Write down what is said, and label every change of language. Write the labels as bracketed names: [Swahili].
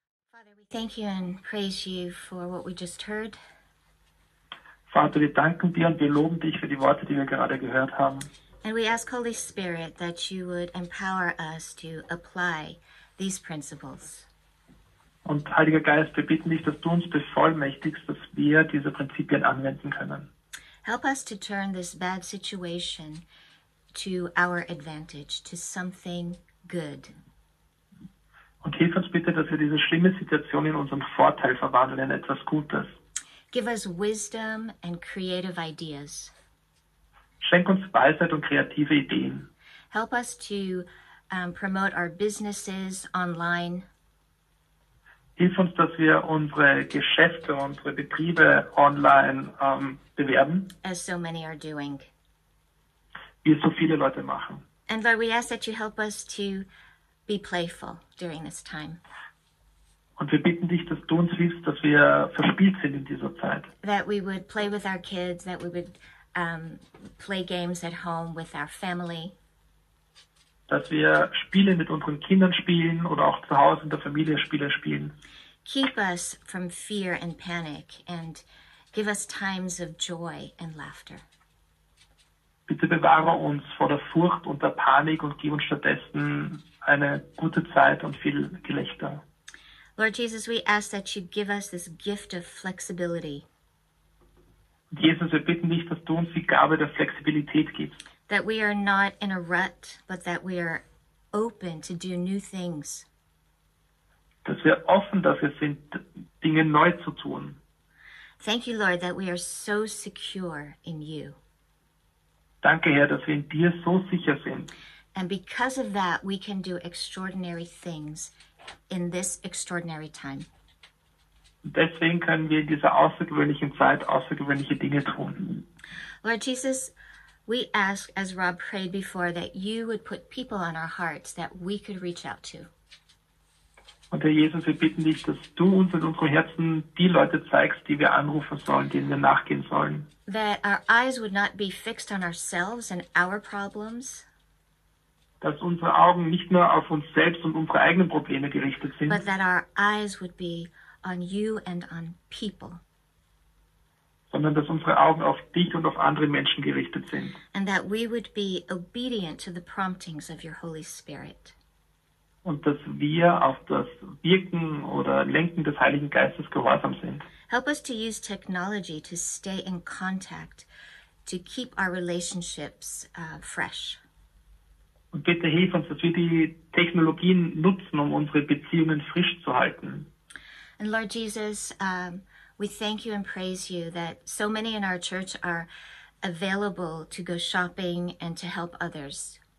[English] Father, we thank you and praise you for what we just heard. [German] Vater, wir danken dir und wir loben dich für die Worte, die wir gerade gehört haben. [English] And we ask Holy Spirit that you would empower us to apply these principles. [German] Und Heiliger Geist, wir bitten dich, dass du uns bevollmächtigst, dass wir diese Prinzipien anwenden können. [English] Help us to turn this bad situation to our advantage, to something good. [German] Und hilf uns bitte, dass wir diese schlimme Situation in unserem Vorteil verwandeln, in etwas Gutes. [English] Give us wisdom and creative ideas. [German] Schenk uns Weisheit und kreative Ideen. [English] Help us to promote our businesses online. [German] Hilf uns, dass wir unsere Geschäfte, unsere Betriebe online bewerben. [English] As so many are doing. [German] Wie so viele Leute machen. [English] And Lord, we ask that you help us to be playful during this time. [German] Und wir bitten dich, dass du uns hilfst, dass wir verspielt sind in dieser Zeit. [English] That we would play with our kids, that we would play games at home with our family. [German] Dass wir Spiele mit unseren Kindern spielen oder auch zu Hause in der Familie Spiele spielen. [English] Keep us from fear and panic and give us times of joy and laughter. [German] Bitte bewahre uns vor der Furcht und der Panik und gib uns stattdessen eine gute Zeit und viel Gelächter. [English] Lord Jesus, we ask that you give us this gift of flexibility. [German] Jesus, wir bitten dich, dass du uns die Gabe der Flexibilität gibst. [English] That we are not in a rut, but that we are open to do new things. [German] Dass wir offen dafür sind, Dinge neu zu tun. [English] Thank you, Lord, that we are so secure in you. [German] Danke, Herr, dass wir in dir so sicher sind. [English] And because of that, we can do extraordinary things in this extraordinary time. [German] Deswegen können wir in dieser außergewöhnlichen Zeit außergewöhnliche Dinge tun. [English] Lord Jesus, we ask, as Rob prayed before, that you would put people on our hearts that we could reach out to. [German] Und Herr Jesus, wir bitten dich, dass du uns in unseren Herzen die Leute zeigst, die wir anrufen sollen, denen wir nachgehen sollen. [English] That our eyes would not be fixed on ourselves and our problems. [German] Dass unsere Augen nicht nur auf uns selbst und unsere eigenen Probleme gerichtet sind. [English] But that our eyes would be on you and on people. [German] Sondern dass unsere Augen auf dich und auf andere Menschen gerichtet sind. [English] And that we would be obedient to the promptings of your Holy Spirit. [German] Und dass wir auf das Wirken oder Lenken des Heiligen Geistes gehorsam sind. [English] Help us to use technology to stay in contact, to keep our relationships fresh. [German] Und bitte hilf uns, dass wir die Technologien nutzen, um unsere Beziehungen frisch zu halten. [English] And Lord Jesus, we thank you and praise you that so many in our church are available to go shopping and to help others.